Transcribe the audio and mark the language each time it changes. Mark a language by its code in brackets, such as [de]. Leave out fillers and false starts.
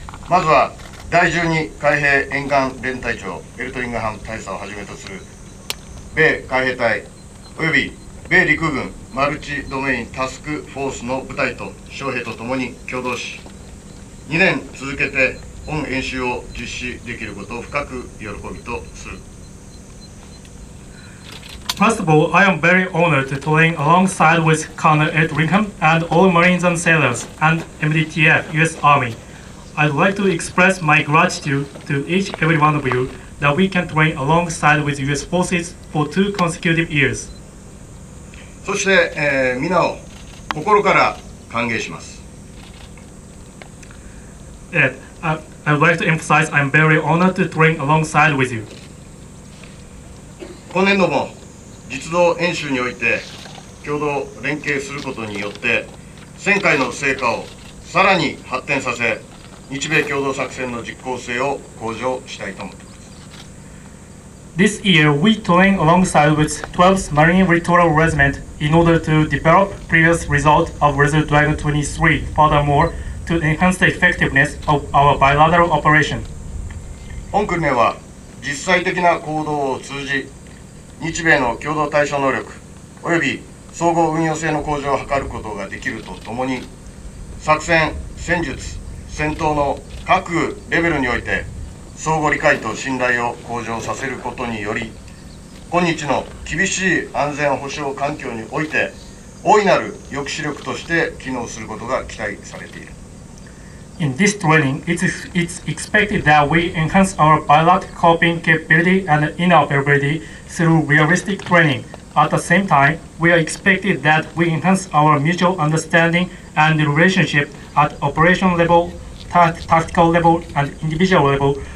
[ja] まずは第12海兵沿岸連隊長エルトリングハム大佐をはじめとする米海兵隊および米陸軍マルチドメインタスクフォースの部隊と将兵とともに共同し、2年続けて本演習を実施できることを深く喜びとする。 [en] First of all, I am very honored to train alongside with Colonel Ed Ringham and all Marines and Sailors and MDTF U.S. Army. I'd like to express my gratitude to each and every one of you that we can train alongside with U.S. forces for two consecutive years. [ja] そして、皆を心から歓迎します。 [en] Ed, I'd like to emphasize I'm very honored to train alongside with you. [ja] 今年度も実動演習において共同連携することによって、前回の成果をさらに発展させ、日米共同作戦の実効性を向上したいと思っています。 [en] This year we train alongside with 12th Marine Littoral Regiment in order to develop previous result of Resolute Dragon 23, furthermore to enhance the effectiveness of our bilateral operation. [ja] 本訓練は実際的な行動を通じ、日米の共同対処能力および総合運用性の向上を図ることができるとともに、作戦、戦術、戦闘の各レベルにおいて相互理解と信頼を向上させることにより、今日の厳しい安全保障環境において大いなる抑止力として機能することが期待されている。 [en] In this training, it's expected that we enhance our bilateral coping capability and interoperability through realistic training. At the same time, we are expected that we enhance our mutual understanding and relationship at operational level, tactical level, and individual level